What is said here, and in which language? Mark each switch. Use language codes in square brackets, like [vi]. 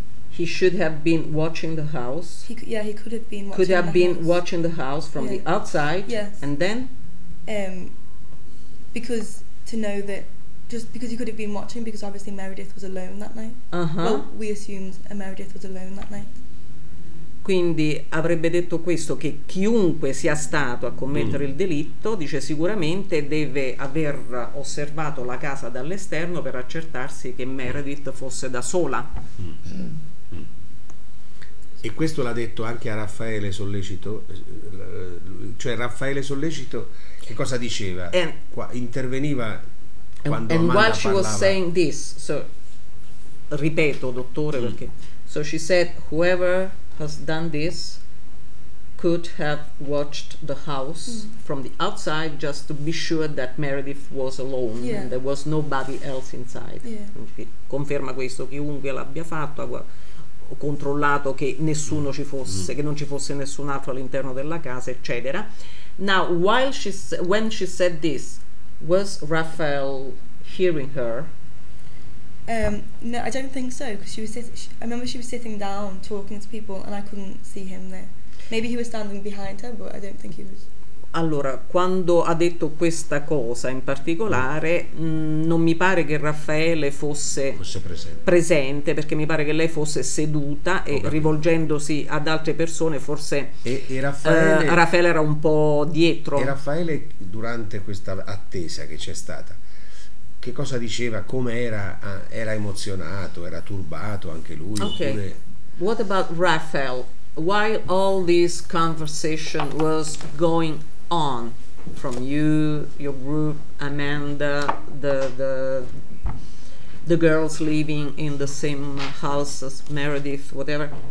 [en] He should have been watching the house. He could have been watching. Could have been house. Watching the house from the outside. Yes. And then, because to know that, just because he could have been watching, because obviously Meredith was alone that night. Well, we assumed Meredith was alone that night. [it] Quindi avrebbe detto questo, che chiunque sia stato a commettere il delitto, dice, sicuramente deve aver osservato la casa dall'esterno per accertarsi che Meredith fosse da sola. E questo l'ha detto anche a Raffaele Sollecito, cioè Raffaele Sollecito che cosa diceva? Interveniva quando parlava. [en] And while she was saying this, so, [it] ripeto, dottore, perché... [en] So she said, whoever has done this could have watched the house from the outside just to be sure that Meredith was alone and there was nobody else inside. Yeah. [it] Conferma questo, chiunque l'abbia fatto... Ho controllato che nessuno ci fosse, che non ci fosse nessun altro all'interno della casa, eccetera. [en] Now, while when she said this, was Raphael hearing her? No, I don't think so, because I remember she was sitting down talking to people and I couldn't see him there. Maybe he was standing behind her, but I don't think he was. [it] Allora, quando ha detto questa cosa in particolare, non mi pare che Raffaele fosse presente, perché mi pare che lei fosse seduta e rivolgendosi ad altre persone, forse e Raffaele, Raffaele era un po' dietro. E Raffaele, durante questa attesa che c'è stata, che cosa diceva, come era? Era emozionato, era turbato anche lui? Ok, oppure... [en] What about Raphael? While all this conversation was going on, from you, your group, Amanda, the girls living in the same house as Meredith, whatever.